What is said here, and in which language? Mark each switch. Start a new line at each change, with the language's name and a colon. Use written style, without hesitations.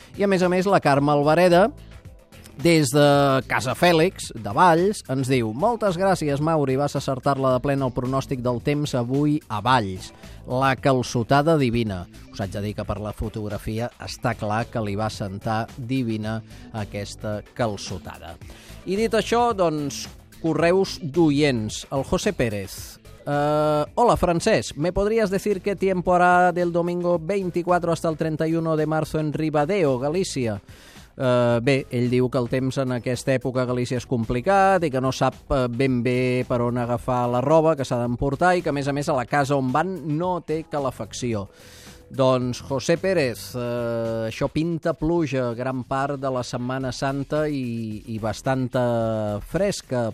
Catalan: I, a més, la Carme Alvareda, des de Casa Fèlix, de Valls, ens diu: moltes gràcies, Mauri, vas acertar-la de plena el pronòstic del temps avui a Valls. La calçotada divina. Us haig de dir que per la fotografia està clar que li va sentar divina aquesta calçotada. I dit això, doncs, correus d'oients.
Spanish: El José Pérez: hola, Francesc, ¿me podrías decir qué tiempo hará del domingo 24 hasta el 31 de marzo en Ribadeo, Galícia?
Catalan: Bé, ell diu que el temps en aquesta època a Galícia és complicat i que no sap ben bé per on agafar la roba que s'ha d'emportar i que, a més, a la casa on van no té calefacció. Doncs, José Pérez, això pinta pluja gran part de la Setmana Santa i bastant fresca.